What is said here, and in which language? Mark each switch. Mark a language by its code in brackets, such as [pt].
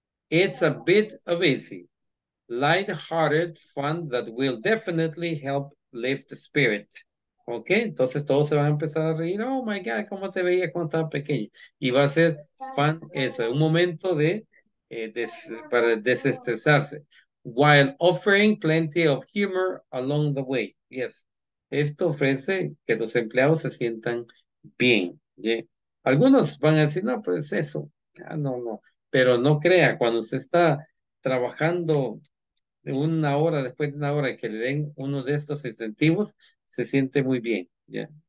[en] It's a bit of easy, light-hearted fun that will definitely help lift the spirit. [es] Ok, entonces todos se van a empezar a reír. Oh my God, ¿cómo te veía cuando estaba pequeño? Y va a ser fun, eso, un momento de para desestresarse. [en] While offering plenty of humor along the way. [es] Yes, esto ofrece que los empleados se sientan bien. Yeah. Algunos van a decir, no, pero es eso. Ah, no, no. Pero no crea, cuando se está trabajando una hora, después de una hora, que le den uno de estos incentivos, se siente muy bien, ¿ya? Yeah.